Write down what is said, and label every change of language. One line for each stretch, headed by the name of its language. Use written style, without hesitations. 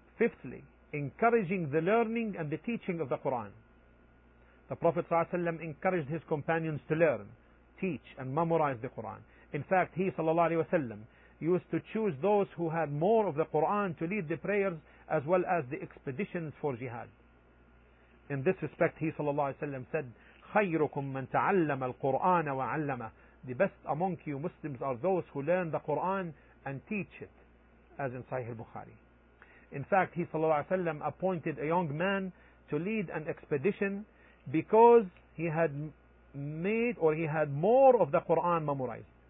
English: Fifthly, encouraging the learning and the teaching of the Quran. The Prophet ﷺ encouraged his companions to learn, teach and memorize the Quran. In fact, he ﷺ used to choose those who had more of the Quran to lead the prayers as well as the expeditions for jihad. In this respect, he ﷺ said,
Arabic: خَيْرُكُمْ مَنْ تَعَلَّمَ الْقُرْآنَ وَعَلَّمَهُ.
English: The best among you Muslims are those who learn the Quran and teach it, as in Sahih al-Bukhari. In fact, he sallallahu alayhi wa sallam appointed a young man to lead an expedition because he had more of the Quran memorized.